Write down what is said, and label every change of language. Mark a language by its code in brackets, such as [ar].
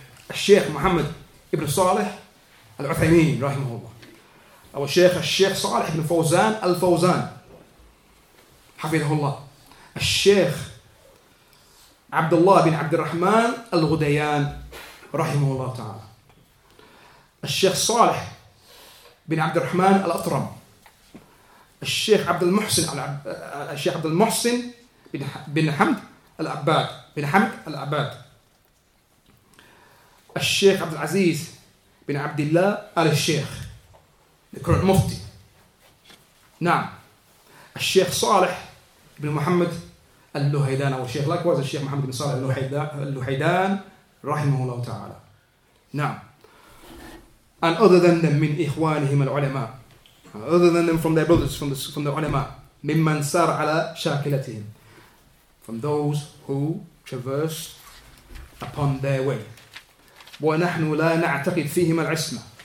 [en] Al-Shaykh Muhammad ibn Salih al-Uthaymeen, rahimahullah. Al-Shaykh Salih ibn Fawzan al-Fawzan, hafidhahullah. Al-Shaykh Abdullah bin Abdurrahman al-Ghudayan, [ar] رحمه الله تعالى. الشيخ صالح بن عبد الرحمن الأطرم. الشيخ عبد المحسن الشيخ عبد المحسن بن حمد العباد بن حمد العباد. الشيخ عبد العزيز بن عبد الله آل الشيخ. ذكر المفتي. نعم. الشيخ صالح بن محمد اللهيدان أو الشيخ لاكواز الشيخ محمد بن صالح اللهيدان رحمه الله تعالى. [en] Now, and other than them, [ar] min ikhwanihim al-ulama, [en] other than them from their brothers, from the ulama, [ar] mimman sar ala shakilatihim, [en] from those who traverse upon their way. [ar] وَنَحْنُ لَا نَعْتَقِدْ فِيهِمَ الْعِسْمَةِ.